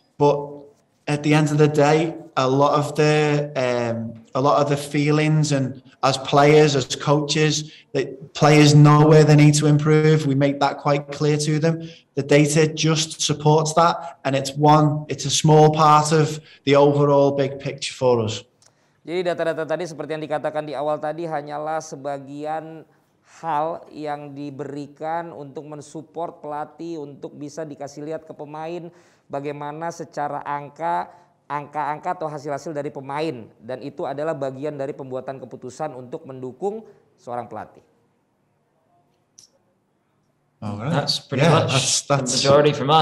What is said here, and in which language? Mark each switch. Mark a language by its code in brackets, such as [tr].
[en] But at the end of the day, a lot of the feelings, and as players, as coaches, that players know where they need to improve. We make that quite clear to them. The data just supports that, and it's a small part of the overall big picture for us. [id] Jadi data-data tadi seperti yang dikatakan di awal tadi hanyalah sebagian hal yang diberikan untuk mensupport pelatih untuk bisa dikasih lihat ke pemain bagaimana secara angka-angka atau hasil-hasil dari pemain, dan itu adalah bagian dari pembuatan keputusan untuk mendukung seorang pelatih. [en] Alright. That's pretty much that's the majority from us.